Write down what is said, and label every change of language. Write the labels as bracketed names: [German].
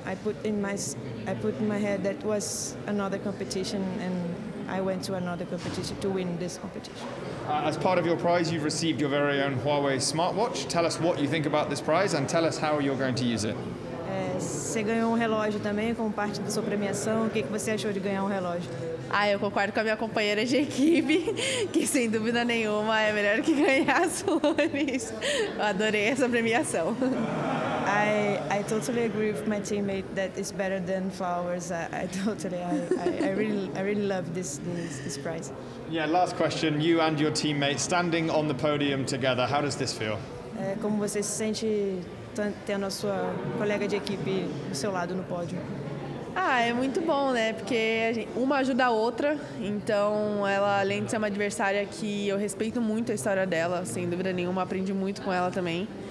[English] I put in my head that was another competition, and I went to another competition to win this competition. As part of your prize, you've received your very own Huawei smartwatch. Tell us what you think about this prize, and tell us how you're going to use it. [Portuguese] Você ganhou relógio também como parte da sua premiação. O que você achou de ganhar relógio? Eu concordo com a minha companheira de equipe, que sem dúvida nenhuma é melhor que ganhar as flores. Eu adorei essa premiação. [English] I totally agree with my teammate that it's better than flowers. I really love this prize. Yeah, last question. You and your teammate standing on the podium together. How does this feel? [Portuguese] Como você se sente tendo a sua colega de equipe do seu lado no pódio? É muito bom, né? Porque uma ajuda a outra. Então, ela, além de ser uma adversária que eu respeito muito a história dela, sem dúvida nenhuma, aprendi muito com ela também.